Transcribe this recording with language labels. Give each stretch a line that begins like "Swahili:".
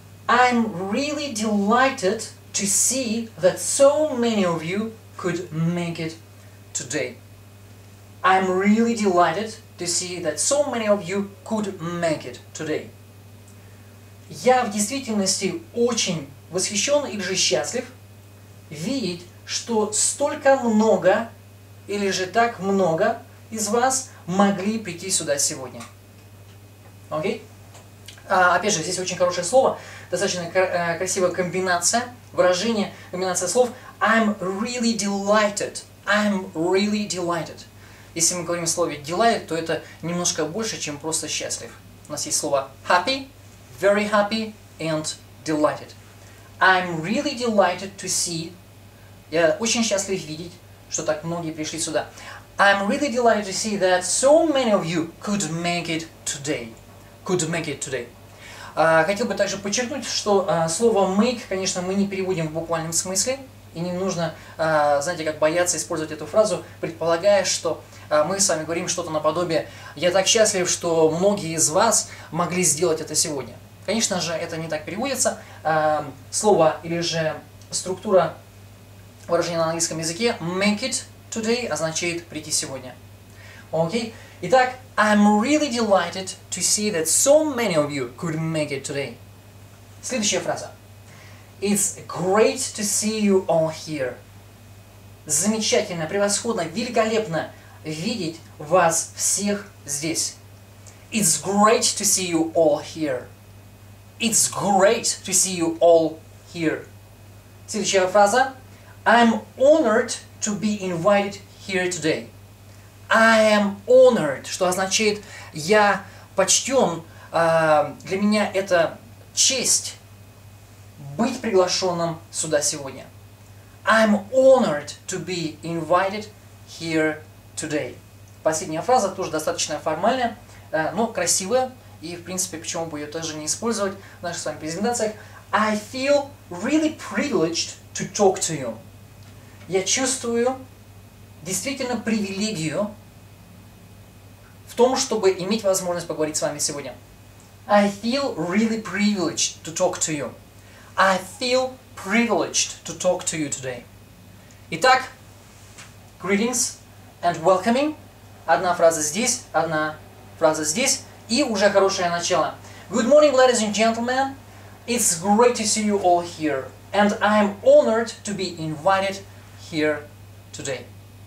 English: I'm really delighted to see that so many of you could make it today. I'm really delighted to see that so many of you could make it today.
Russian: Я в действительности очень восхищен или же счастлив видеть, что столько много или же так много из вас могли прийти сюда сегодня. Окей? Опять же, здесь очень хорошее слово, достаточно красивая комбинация, выражение, комбинация слов.
English: I'm really delighted. I'm really delighted.
Russian: Если мы говорим о слове delight, то это немножко больше, чем просто счастлив. У нас есть слово
English: happy, very happy and delighted. I'm really delighted to see.
Russian: Я очень счастлив видеть, что так многие пришли сюда.
English: I'm really delighted to see that so many of you could make it today. Could make it today.
Russian: Хотел бы также подчеркнуть, что слово make, конечно, мы не переводим в буквальном смысле. И не нужно, знаете, как бояться использовать эту фразу, предполагая, что мы с вами говорим что-то наподобие «Я так счастлив, что многие из вас могли сделать это сегодня». Конечно же, это не так переводится. Слово или же структура выражения на английском языке
English: «make it today»
Russian: означает «прийти сегодня». Окей?
English: Итак, I'm really delighted to see that so many of you could make it today.
Russian: Следующая фраза.
English: It's great to see you all here.
Russian: Замечательно, превосходно, великолепно видеть вас всех здесь.
English: It's great to see you all here. It's great to see you all here.
Russian: Следующая фраза.
English: I'm honored to be invited here today. I am honored,
Russian: что означает «я почтен», для меня это честь быть приглашенным сюда сегодня.
English: I'm honored to be invited here today.
Russian: Последняя фраза тоже достаточно формальная, но красивая. И, в принципе, почему бы ее тоже не использовать в наших с вами презентациях.
English: I feel really privileged to talk to you.
Russian: Я чувствую действительно привилегию в том, чтобы иметь возможность поговорить с вами сегодня.
English: I feel really privileged to talk to you. I feel privileged to talk to you today. Итак, greetings and welcoming.
Russian: Одна фраза здесь, одна фраза здесь. И уже хорошее начало.
English: Good morning, ladies and gentlemen. It's great to see you all here. And I'm honored to be invited here today.